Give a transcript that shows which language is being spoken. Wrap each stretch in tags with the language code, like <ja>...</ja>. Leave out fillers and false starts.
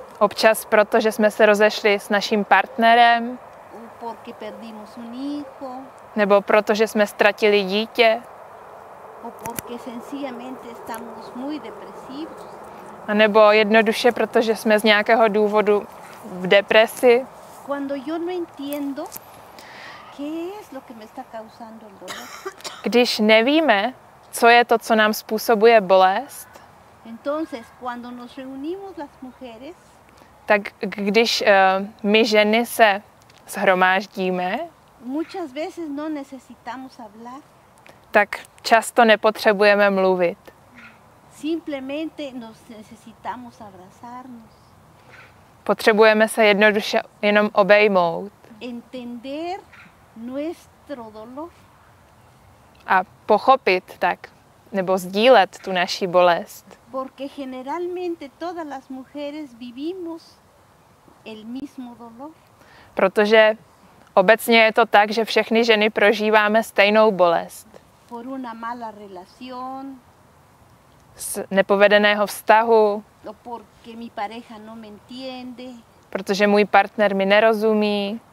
<cs>Občas proto, že jsme se rozešli s naším partnerem.</cs> <es>Porque perdimos un hijo.</es> <cs>Nebo proto, že jsme ztratili dítě.</cs> <es>O porque sencillamente estamos muy depresivos.</es> <cs>A nebo jednoduše proto, že jsme z nějakého důvodu v depresi.</cs> <es>Cuando yo no entiendo qué es lo que me está causando el dolor.</es> <cs>Když nevíme, co je to, co nám způsobuje bolest.</cs> <es>Entonces, cuando nos reunimos las mujeres,</es> <cs>tak když my ženy se shromáždíme,</cs> <es>muchas veces no necesitamos hablar.</es> <cs>Tak často nepotřebujeme mluvit.</cs> <es>Simplemente nos necesitamos abrazarnos.</es> <cs>Potřebujeme se jednoduše jenom obejmout.</cs> <es>Entender nuestro dolor.</es> <cs>A pochopit tak, nebo sdílet tu naši bolest.</cs> <es>Porque generalmente todas las mujeres vivimos el mismo dolor.</es> <cs>Protože obecně je to tak, že všechny ženy prožíváme stejnou bolest.</cs> <es>Por una mala relación.</es> <cs>Z nepovedeného vztahu.</cs> <es>No porque mi pareja no me entiende.</es> <cs>Protože můj partner mi nerozumí.</cs>